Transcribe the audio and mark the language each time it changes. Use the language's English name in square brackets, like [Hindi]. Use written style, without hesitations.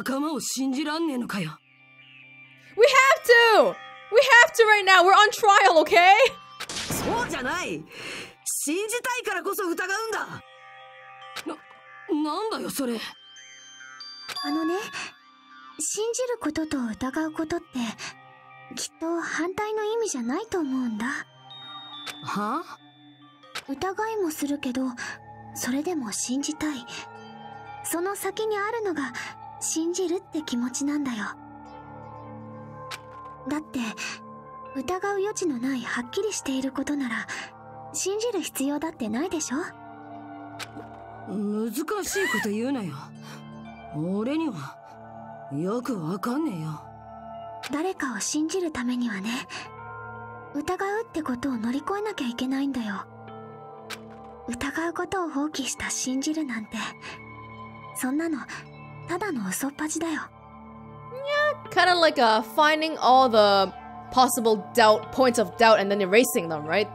[English] We have to right now! We're on trial, okay? [Japanese] そうじゃない! 信じたいからこそ疑うんだ! なんだよそれ? あのね、信じることと疑うことってきっと反対の意味じゃないと思うんだ。は? 疑いもするけど、それでも信じたい。その先にあるのが信じるって気持ちなんだよ。だって疑う余地のないはっきりしていることなら信じる必要だってないでしょ。難しいこと言うなよ。俺にはよくわかんねえよ。誰かを信じるためにはね、疑うってことを乗り越えなきゃいけないんだよ。疑うことを放棄した信じるなんて、そんなのただの嘘っぱちだよ。 [English] Kind of like finding all the possible doubt points of doubt and then erasing them, right?